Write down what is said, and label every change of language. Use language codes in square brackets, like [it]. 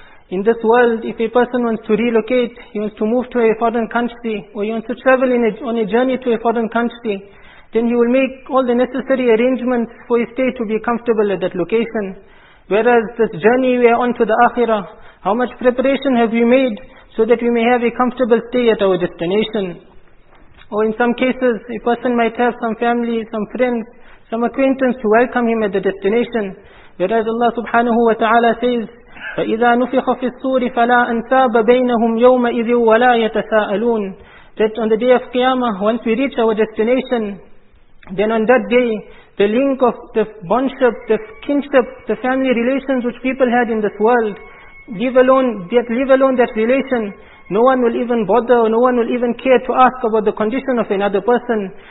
[en] In this world, if a person wants to relocate, he wants to move to a foreign country, or he wants to travel on a journey to a foreign country, then he will make all the necessary arrangements for his stay to be comfortable at that location. Whereas this journey we are on to the Akhirah, how much preparation have we made so that we may have a comfortable stay at our destination? Or in some cases, a person might have some family, some friends, some acquaintance to welcome him at the destination. Whereas Allah subhanahu wa ta'ala says, [ar] فَإِذَا نُفِخَ فِي الصُّورِ فَلَا أَنْسَابَ بَيْنَهُمْ يَوْمَئِذٍ وَلَا يَتَسَاءَلُونَ. [en] That on the day of Qiyamah, once we reach our destination, then on that day, the link of the bondship, the kinship, the family relations which people had in this world, leave alone that relation, no one will even bother, or no one will even care to ask about the condition of another person.